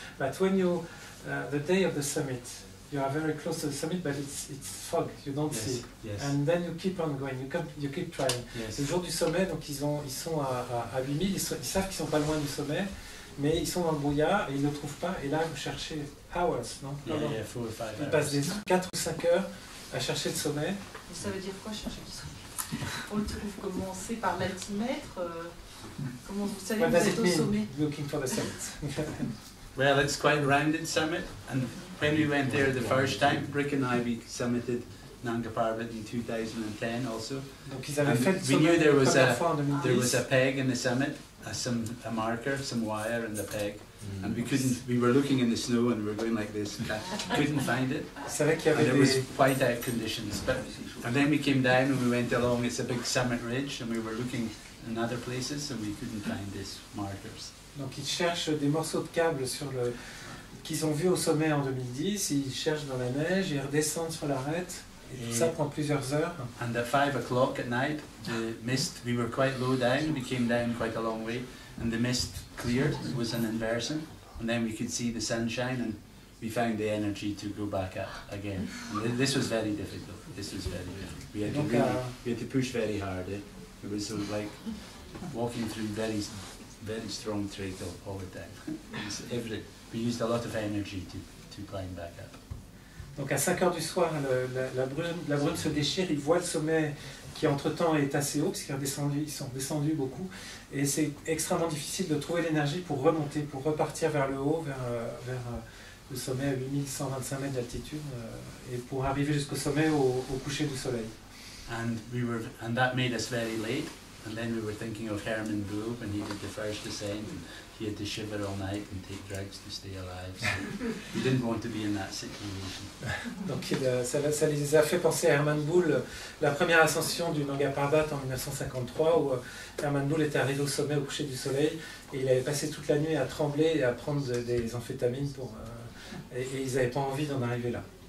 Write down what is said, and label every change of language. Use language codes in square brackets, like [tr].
[en] But when you, the day of the summit, you are very close to the summit, but it's fog, you don't yes, see. Yes. And then you keep on going, you keep trying. Yes. [fr] Le jour du sommet, donc ils sont à 8000, ils savent qu'ils sont pas loin du sommet, mais ils sont dans le brouillard et ils ne trouvent pas. Et là, vous cherchez [en] hours, [fr] non? [en] Yeah, 4 or 5 hours. [fr] Ils passent des 4 ou 5 heures à chercher le sommet. Ça veut dire quoi, chercher le sommet? On le trouve, commencer par l'altimètre. Comment vous savez que vous êtes au sommet? [en] Looking for the summit. Well, it's quite a rounded summit, and when we went there the first time, Brick and I, we summited Nanga Parbat in 2010 also. [fr] Donc ils avaient fait le sommet. [en] We knew there was a peg in the summit, a marker, some wire and a peg, and we were looking in the snow and we were going like this, couldn't find it. [fr] C'est vrai qu'il y avait des. [en] And it was quite out conditions, and then we came down and we went along. It's a big summit ridge, and we were looking. In other places, so we couldn't find these markers. [fr] Donc ils cherchent des morceaux de câbles sur le qu'ils ont vu au sommet en 2010. Ils cherchent dans la neige, ils redescendent sur l'arête. Ça prend plusieurs heures. [en] And at 5 o'clock at night, the mist. We were quite low down. We came down quite a long way, and the mist cleared. It was an inversion, and then we could see the sunshine, and we found the energy to go back up again. And this was very difficult. This was very difficult. We had to really, we had to push very hard. Eh? It was sort of like walking through very, very strong trail all the time. We used a lot of energy to climb back up. [fr] Donc à 5 heures du soir, la brume se déchire. Ils voient le sommet qui entre-temps est assez haut puisqu'ils sont descendus, ils sont descendus beaucoup, et c'est extrêmement difficile de trouver l'énergie pour remonter, pour repartir vers le haut, vers le sommet à 8125 mètres d'altitude, et pour arriver jusqu'au sommet au coucher du soleil. [en] And that made us very late, And then we were thinking of Herman Boob, and he did the first ascent, and he had to shiver all night and take drugs to stay alive. So he didn't want to be in that situation. [fr] Donc ça les a fait penser à Herman Boob, la première ascension du Nanga Parbat en 1953, où Herman Boob était arrivé au sommet au coucher du soleil, et il avait passé toute la nuit à trembler et à prendre des amphétamines pour... Et ils n'avaient pas envie d'en arriver là.